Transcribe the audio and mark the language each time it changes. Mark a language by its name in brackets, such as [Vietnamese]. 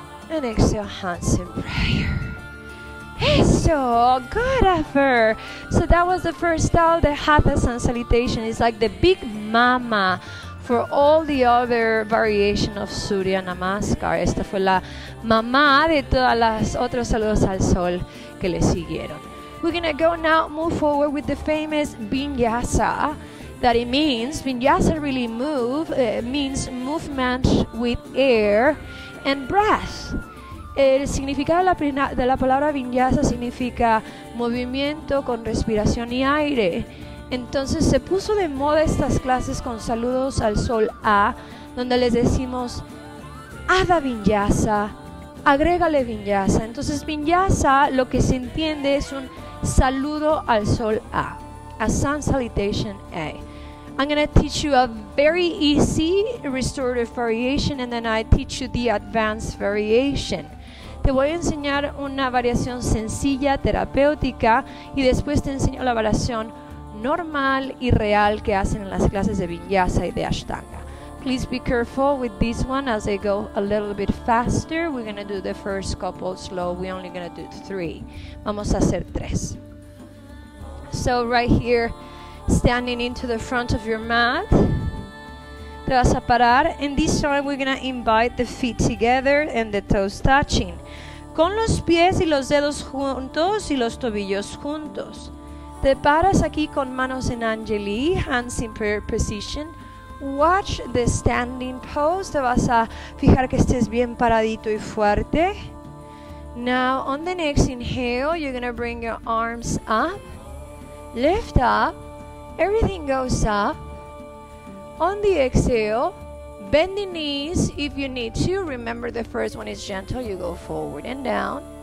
[English] And exhale, hands in prayer. [Spanish] Eso, [English] good effort. So that was the first style, the Hatha Sun Salutation. It's like the big mama for all the other variation of Surya Namaskar. [Spanish] Esta fue la mamá de todas las otros saludos al sol que le siguieron. [English] We're gonna go now, move forward with the famous Vinyasa. That it means, Vinyasa really move, means movement with air and breath. [Spanish] El significado de la palabra vinyasa significa movimiento con respiración y aire. Entonces se puso de moda estas clases con saludos al sol A, donde les decimos, haga vinyasa, agrégale vinyasa. Entonces vinyasa lo que se entiende es un saludo al sol A, [English] a sun salutation A. I'm going to teach you a very easy restorative variation and then I teach you the advanced variation. [Spanish] Te voy a enseñar una variación sencilla, terapéutica, y después te enseño la variación normal y real que hacen en las clases de Vinyasa y de Ashtanga. [English] Please be careful with this one as I go a little bit faster. We're going to do the first couple slow. We're only going to do three. [Spanish] Vamos a hacer tres. [English] So right here, standing into the front of your mat. [Spanish] Te vas a parar. [English] And this time we're going to invite the feet together and the toes touching. [Spanish] Con los pies y los dedos juntos y los tobillos juntos. Te paras aquí con manos en Anjali, [English] hands in prayer position. Watch the standing pose. [Spanish] Te vas a fijar que estés bien paradito y fuerte. [English] Now, on the next inhale, you're going to bring your arms up. Lift up. Everything goes up. On the exhale, bend the knees if you need to. Remember the first one is gentle. You go forward and down.